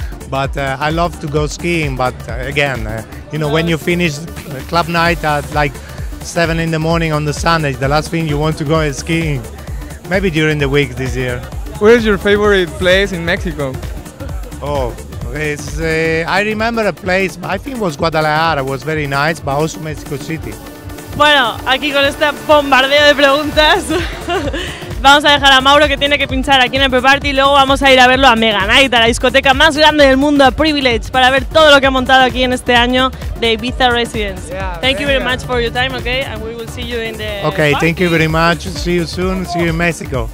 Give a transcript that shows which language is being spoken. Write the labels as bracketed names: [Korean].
[English] But I love to go skiing, but again, you know, when you finish club night at like 7 in the morning on the Sunday, the last thing you want to go is skiing. Maybe during the week this year. Where is your favorite place in Mexico? Oh, it's, I remember a place, I think it was Guadalajara, it was very nice, but also Mexico City. [Spanish] Bueno, aquí con este bombardeo de preguntas, vamos a dejar a Mauro que tiene que pinchar aquí en el pre-party y luego vamos a ir a verlo a Mega Night, a la discoteca más grande del mundo, a Privilege, para ver todo lo que ha montado aquí en este año de Ibiza Residence. [English] Yeah, thank you very much for your time, okay? And we will see you in the okay, party. Thank you very much. See you soon. See you in Mexico.